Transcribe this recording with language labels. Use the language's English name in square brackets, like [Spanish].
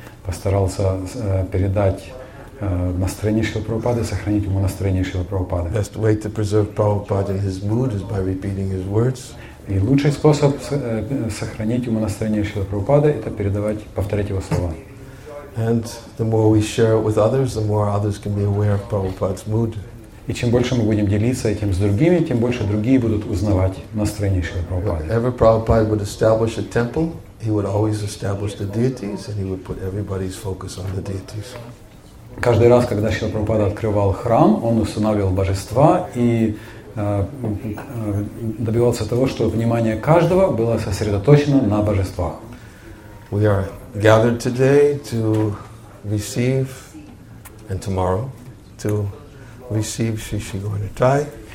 [Russian] Постарался передать настроение Шрила Прабхупады, сохранить ему настроение Шрила Прабхупады. [English] Best way to preserve Prabhupada in his mood is by repeating his words. [Russian] И лучший способ сохранить ему настроение Шрила Прабхупады — это передавать, повторять его слова. [English] And the more we share it with others, the more others can be aware of Prabhupada's mood. [Russian] И чем больше мы будем делиться этим с другими, тем больше другие будут узнавать настроение Шрила Прабхупады. [English] Whenever Prabhupada would establish a temple, he would always establish the deities, and he would put everybody's focus on the deities. [Russian] Каждый раз, когда Шрила Прабхупада открывал храм, он устанавливал божества и добивался того, чтобы внимание каждого было сосредоточено на божествах. [English] We are gathered today to receive, and tomorrow to receive Sri Sri Gaurataya.